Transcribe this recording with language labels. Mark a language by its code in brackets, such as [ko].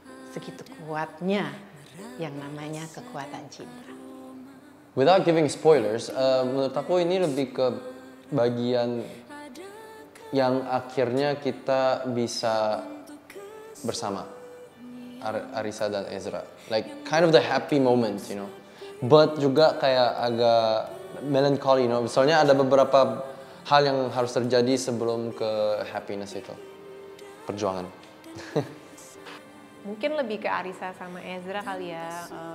[id] Segitu kuatnya yang namanya kekuatan cinta. [en] Without giving spoilers, [id] menurut aku ini lebih ke bagian yang akhirnya kita bisa bersama Arisa dan Ezra. [en] Like kind of the happy moment, you know. But [id] juga kayak agak [en] melancholy, you know. [id] Misalnya ada beberapa hal yang harus terjadi sebelum ke happiness itu. Perjuangan. Mungkin lebih ke Arisa sama Ezra kali ya.